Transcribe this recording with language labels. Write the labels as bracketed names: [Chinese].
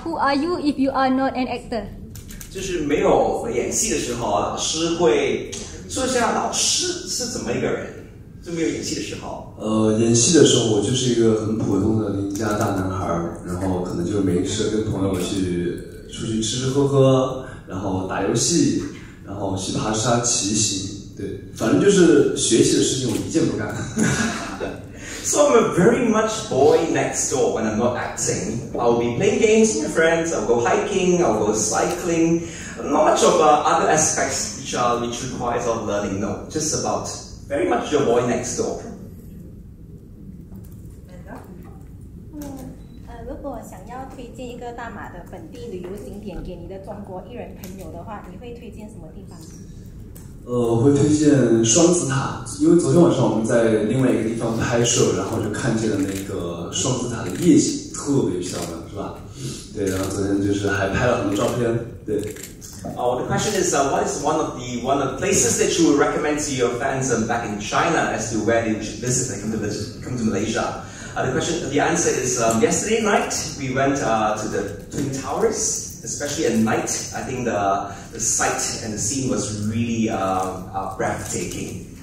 [English] Who are you if you are not an actor? [Chinese] 就是没有演戏的时候，老师会说一下老师是怎么一个人。就没有演戏的时候，演戏的时候我就是一个很普通的邻家大男孩，然后可能就没事跟朋友去出去吃吃喝喝，然后打游戏，然后去爬山骑行，对，反正就是学习的事情我一件不干。 [English] So I'm a very much boy next door when I'm not acting. I'll be playing games with my friends, I'll go hiking, I'll go cycling. Not much of other aspects which requires of learning, no. Just about very much your boy next door. [Chinese] 如果想要推荐一个大马的本地旅游景点给你的中国艺人朋友的话，你会推荐什么地方？我会推荐双子塔，因为昨天晚上我们在另外一个地方拍摄，然后就看见了那个双子塔的夜景，特别漂亮，是吧？对，然后昨天就是还拍了很多照片。对。 [English] The question is, what is one of the places that you would recommend to your fans back in China as to where they should visit when come to Malaysia? The answer is, yesterday night we went to the Twin Towers. Especially at night, I think the sight and the scene was really breathtaking.